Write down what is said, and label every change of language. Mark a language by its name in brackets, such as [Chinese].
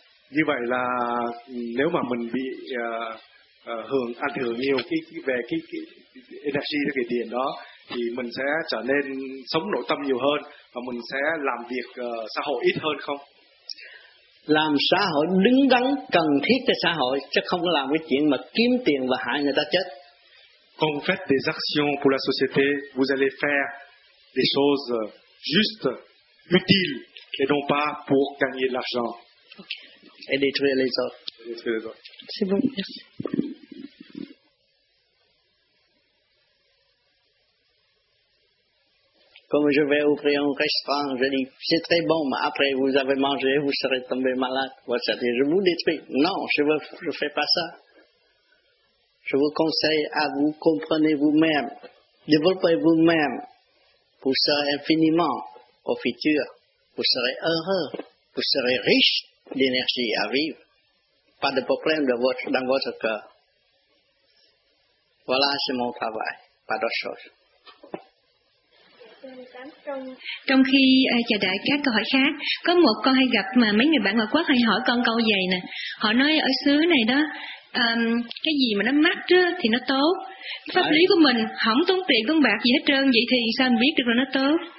[Vietnamese] Như vậy là nếu mà mình bị hưởng ảnh hưởng nhiều về cái energy, cái điện đó, thì mình sẽ trở nên sống nội tâm nhiều hơn và mình sẽ làm việc xã hội ít hơn không? Làm xã hội đứng đắn cần thiết cho xã hội, chứ không có làm cái chuyện mà kiếm tiền và hại người ta chết. [French] Quand vous faites des actions pour la société, vous allez faire des choses justes, utiles, et non pas pour gagner de l'argent. Okay. Et détruire les autres. C'est bon, merci. Comme je vais ouvrir un restaurant, je dis, c'est très bon, mais après vous avez mangé, vous serez tombé malade. Voilà, je vous détruis. Non, je fais pas ça. Je vous conseille à vous comprenez vous-même, développez vous-même, vous serez infiniment au futur, vous serez heureux, vous serez riche d'énergie à vivre, pas de problème dans votre cœur. Voilà, c'est mon travail, pas d'autre chose. [Vietnamese] Trong khi chờ đợi các câu hỏi khác, có một con hay gặp mà mấy người bạn ngoại quốc hay hỏi con câu vậy nè. Họ nói ở xứ này đó, cái gì mà nó mắc chứ thì nó tốt. Pháp lý của mình không tốn tiền con bạc gì hết trơn, vậy thì sao mình biết được là nó tốt?